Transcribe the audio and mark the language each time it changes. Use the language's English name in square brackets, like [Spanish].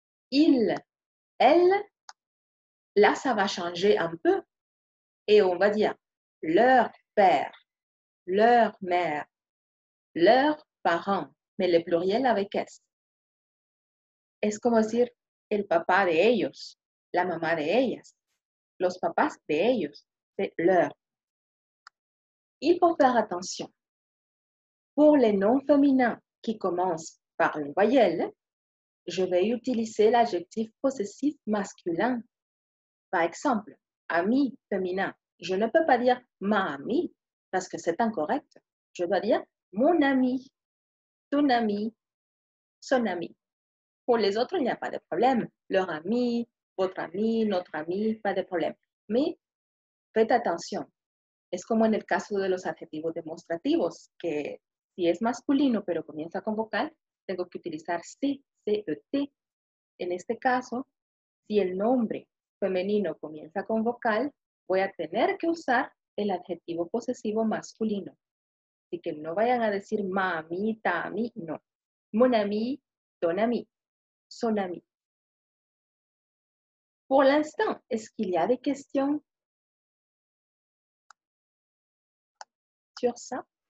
[French] Il, elle. Là, ça va changer un peu et on va dire leur père, leur mère, leurs parents, mais le pluriel avec S. [Spanish] Es como decir el papá de ellos, la mamá de ellas, los papás de ellos, [French] c'est leur. Il faut faire attention. Pour les noms féminins qui commencent par une voyelle, je vais utiliser l'adjectif possessif masculin. Par exemple, ami féminin. Je ne peux pas dire ma amie parce que c'est incorrect. Je dois dire mon ami, ton ami, son ami. Pour les autres, il n'y a pas de problème. Leur ami, votre ami, notre ami, pas de problème. Mais faites attention. [Spanish] Es como en el caso de los adjetivos demostrativos, que si es masculino pero comienza con vocal, tengo que utilizar si, c-e-t. En este caso, si el nombre femenino comienza con vocal, voy a tener que usar el adjetivo posesivo masculino. Así que no vayan a decir mamita, mi, no. [French] Mon ami, ton ami, son ami. Pour l'instant, est-ce qu'il y a des questions sur ça?